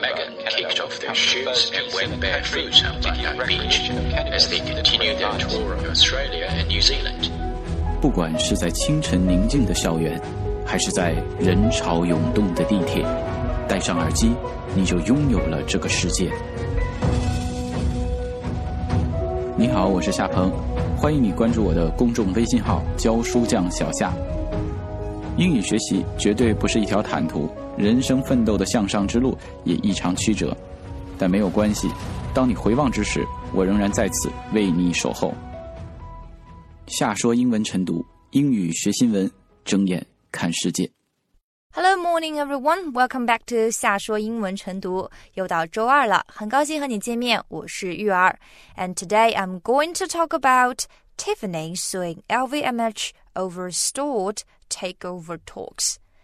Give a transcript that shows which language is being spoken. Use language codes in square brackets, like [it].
[en] Megan kicked off their shoes and went barefoot on Bondi Beach as they continued their tour of Australia and New Zealand. [zh] 不管是在清晨宁静的校园，还是在人潮涌动的地铁，戴上耳机，你就拥有了这个世界。你好，我是夏鹏，欢迎你关注我的公众微信号教书匠小夏。英语学习绝对不是一条坦途，人生奋斗的向上之路也异常曲折，但没有关系，当你回望之时，我仍然在此为你守候。夏说英文晨读，英语学新闻，睁眼看世界。 [en] Hello, morning, everyone. Welcome back to 夏说英文晨读。 [zh] 又到周二了，很高兴和你见面，我是玉儿。 [en] And today I'm going to talk about Tiffany suing LVMH over stalled takeover talks.